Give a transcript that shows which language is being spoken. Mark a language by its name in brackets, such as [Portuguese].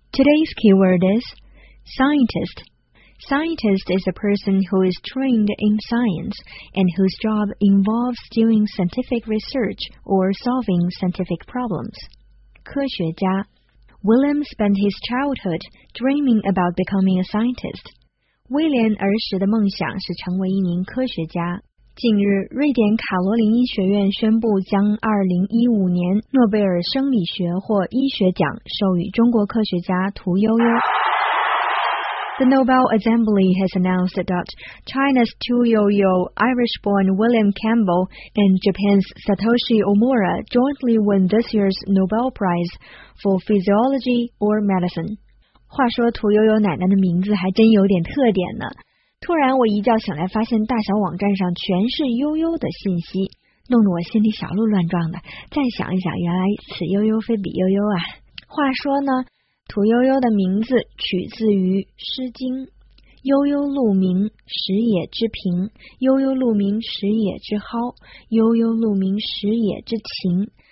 [English] Today's keyword is scientist. Scientist is a person who is trained in science and whose job involves doing scientific research or solving scientific problems. 科学家 William spent his childhood dreaming about becoming a scientist. [Chinese] 威廉儿时的梦想是成为一名科学家。近日，瑞典卡罗琳医学院宣布将2015年诺贝尔生理学或医学奖授予中国科学家屠呦呦。 [English] The Nobel Assembly has announced that China's Tu Youyou, Irish-born William Campbell, and Japan's Satoshi Omura jointly win this year's Nobel Prize for Physiology or Medicine. [Chinese] 话说，屠呦呦奶奶的名字还真有点特点呢。突然我一觉醒来发现大小网站上全是悠悠的信息，弄得我心里小鹿乱撞的，再想一想，原来此悠悠非彼悠悠啊。话说呢，屠呦呦的名字取自于诗经，悠悠鹿鸣，食野之苹，悠悠鹿鸣，食野之蒿，悠悠鹿鸣，食野之芹。